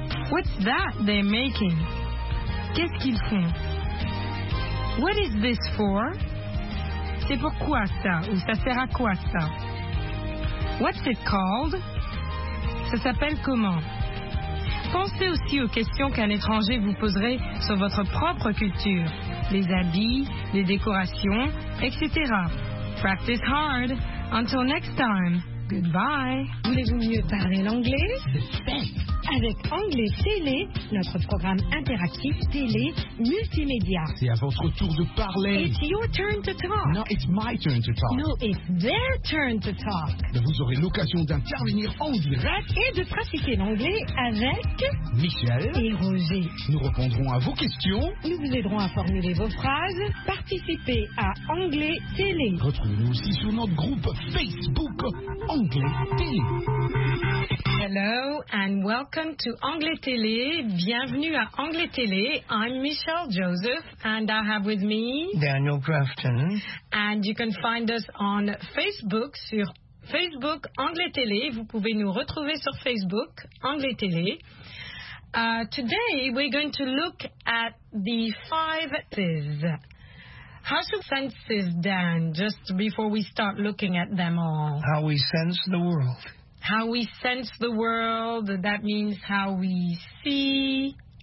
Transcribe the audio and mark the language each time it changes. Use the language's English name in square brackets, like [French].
[English] What's that they're making? [French] Qu'est-ce qu'ils font? [English] What is this for? [French] C'est pourquoi ça? Ou ça sert à quoi ça? [English] What's it called? [French] Ça s'appelle comment? Pensez aussi aux questions qu'un étranger vous poserait sur votre propre culture, les habits, les décorations, etc. [English] Practice hard. Until next time. Goodbye. [French] Voulez-vous mieux parler l'anglais? Avec Anglais Télé, notre programme interactif télé multimédia. C'est à votre tour de parler. [English] It's your turn to talk. No, it's my turn to talk. No, it's their turn to talk. [French] Vous aurez l'occasion d'intervenir en direct et de pratiquer l'anglais avec Michel et Roger. Nous répondrons à vos questions. Nous vous aiderons à formuler vos phrases. Participez à Anglais Télé. Retrouvez-nous aussi sur notre groupe Facebook Anglais Télé. [English] Hello and welcome to Anglais Télé. [French] Bienvenue à Anglais Télé. [English] I'm Michelle Joseph and I have with me Daniel Grafton. And you can find us on Facebook, [French] sur Facebook Anglais Télé. Vous pouvez nous retrouver sur Facebook Anglais Télé. [English] Today we're going to look at the five senses. How should senses, Dan, just before we start looking at them all? How we sense the world. How we sense the world, that means how we see,